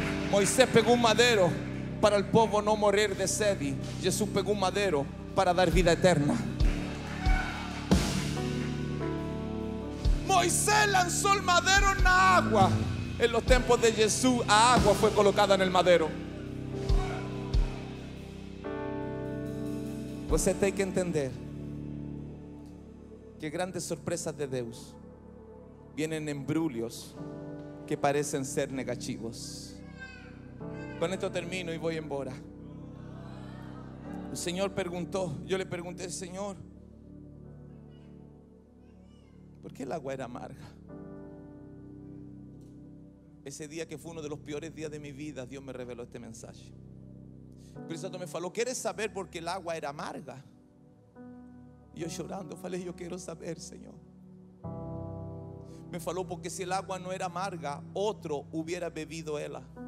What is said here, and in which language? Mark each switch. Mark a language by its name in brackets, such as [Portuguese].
[Spanish] Moisés pegó un madero para el pueblo no morir de sed. Jesús pegó un madero para dar vida eterna. Moisés lanzó el madero en la agua. En los tiempos de Jesús, la agua fue colocada en el madero. [Portuguese] Você tem que entender que grandes surpresas de Deus vêm em embrulhos que parecem ser negativos. Com isso termino e vou embora. O Senhor perguntou, eu lhe perguntei: Senhor, por que a água era amarga? Esse dia que foi um dos piores dias de minha vida, Deus me revelou este mensagem. Cristo me falou: [Spanish] ¿Quieres saber por qué el agua era amarga? Y yo llorando falei: yo quiero saber, Señor. [Portuguese] Me falou: [Spanish] porque si el agua no era amarga, otro hubiera bebido ella.